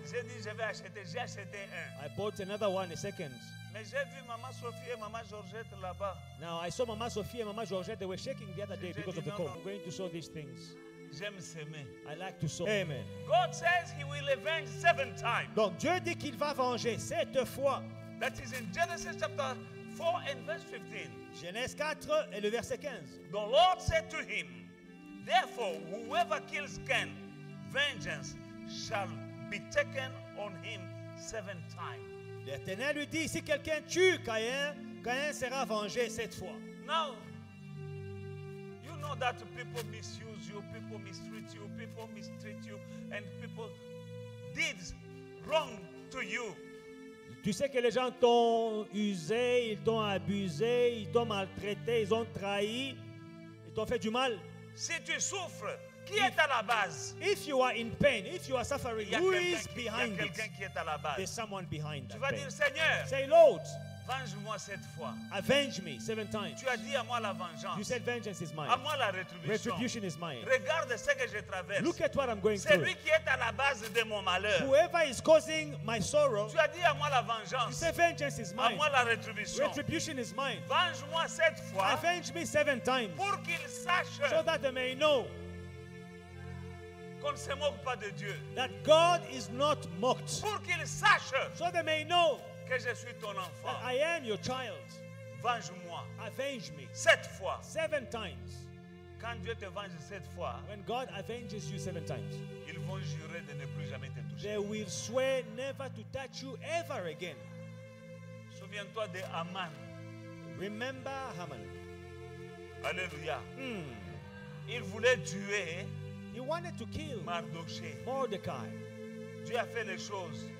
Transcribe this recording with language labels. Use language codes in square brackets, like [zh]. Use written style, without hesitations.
[fr] J'ai dit je vais acheter, j'ai acheté un. [en] I bought another one, a second. [fr] Mais j'ai vu Mama Sophie et Mama Georgette là-bas. [en] Now I saw Mama Sophie and Mama Georgette. They were shaking the other day because of the cold. I'm going to sew these things. [fr] J'aime s'aimer. [en] I like to sew. Amen. God says He will avenge 7 times. [fr] Donc Dieu dit qu'il va venger 7 fois. [en] That is in Genesis chapter 4 and verse 15. [fr] Genèse 4 et le verset 15. [en] The Lord said to him, therefore, whoever kills Cain, vengeance shall be taken on him 7 times. [fr] L'Éternel lui dit, si quelqu'un tue Caïn, Caïn sera vengé 7 fois. [en] Now, you know that people misuse you, people mistreat you, people mistreat you, and people did wrong to you. [fr] Tu sais que les gens t'ont usé, ils t'ont abusé, ils t'ont maltraité, ils ont trahi, ils t'ont fait du mal. Si tu souffres, qui est à la base? [en] If you are in pain, if you are suffering, who is behind it? [fr] Il y a quelqu'un qui est à la base. [en] There's someone behind that. [fr] Tu vas dire Seigneur. [en] Say Lord. [fr] Venge-moi 7 fois. [en] Avenge me 7 times. [fr] Tu as dit à moi la vengeance. [en] You said vengeance is mine. [fr] À moi la rétribution. [en] Retribution is mine. [fr] Regarde ce que je traverse. [en] Look at what I'm going [fr] c'est [en] through. [fr] Celui qui est à la base de mon malheur. [en] Whoever is causing my sorrow. [fr] Tu as dit à moi la vengeance. [en] You said vengeance is mine. [fr] À moi la rétribution. [en] Retribution is mine. [fr] Venge-moi 7 fois. [en] Avenge me 7 times. [fr] Pour qu'il sache. [en] So that they may know. [fr] Qu'on ne se moque pas de Dieu. [en] That God is not mocked. [fr] Pour qu'ils sachent. [en] So they may know. [fr] Que je suis ton enfant. [en] That I am your child. [fr] Venge-moi. [en] Avenge me. [fr] 7 fois. [en] 7 times. [fr] Quand Dieu te venge 7 fois. [en] When God avenges you 7 times. [fr] Ils vont jurer de ne plus jamais te toucher. [en] They will swear never to touch you ever again. [fr] Souviens-toi de Haman. [en] Remember Haman. [fr] Alléluia. Il voulait tuer. [en] He wanted to kill [fr] Mordecai. Dieu a fait les choses.